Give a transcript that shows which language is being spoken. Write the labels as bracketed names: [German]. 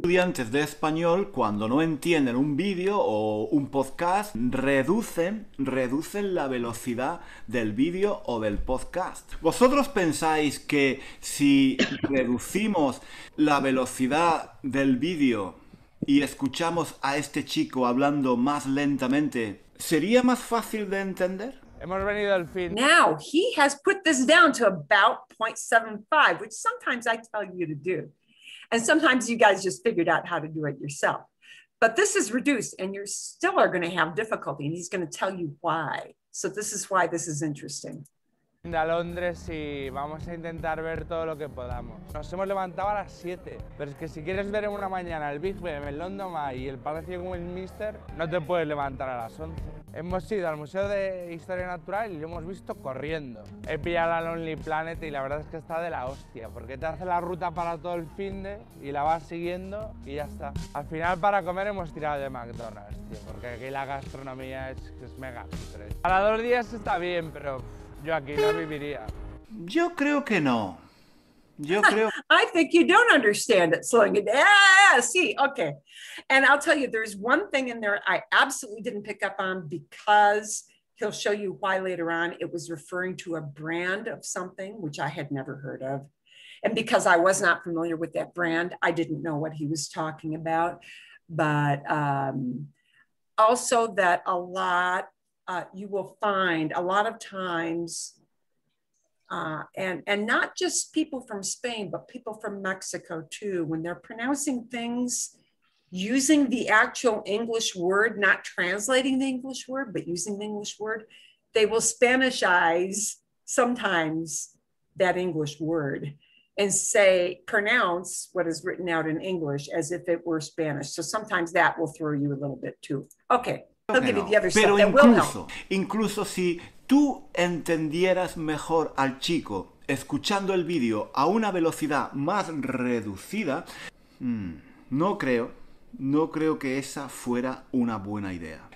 [Spanish] Estudiantes de español, cuando no entienden un vídeo o un podcast, reducen la velocidad del vídeo o del podcast. ¿Vosotros pensáis que si reducimos la velocidad del vídeo y escuchamos a este chico hablando más lentamente, sería más fácil de entender? Hemos venido al fin. [English] Now, he has put this down to about 0.75, which sometimes I tell you to do. And sometimes you guys just figured out how to do it yourself. But this is reduced, and you still are going to have difficulty, and he's going to tell you why. So this is why this is interesting. [Spanish] A Londres y vamos a intentar ver todo lo que podamos. Nos hemos levantado a las 7, pero es que si quieres ver en una mañana el Big Ben, el London Eye y el Palacio de Westminster, no te puedes levantar a las 11. Hemos ido al Museo de Historia Natural y lo hemos visto corriendo. He pillado la Lonely Planet y la verdad es que está de la hostia, porque te hace la ruta para todo el finde y la vas siguiendo y ya está. Al final, para comer, hemos tirado de McDonald's, tío, porque aquí la gastronomía es mega. Para dos días está bien, pero yo aquí no viviría. Yo creo que no. Yo creo. [English] I think you don't understand it, slowing it down. Yeah, sí, okay. And I'll tell you, there's one thing in there I absolutely didn't pick up on because he'll show you why later on. It was referring to a brand of something which I had never heard of. And because I was not familiar with that brand, I didn't know what he was talking about. But also that a lot, you will find a lot of times, and not just people from Spain, but people from Mexico too, when they're pronouncing things using the actual English word, not translating the English word, but using the English word, they will Spanishize sometimes that English word and say, pronounce what is written out in English as if it were Spanish. So sometimes that will throw you a little bit too. Okay. [Spanish] Pero incluso si tú entendieras mejor al chico escuchando el vídeo a una velocidad más reducida, no creo que esa fuera una buena idea.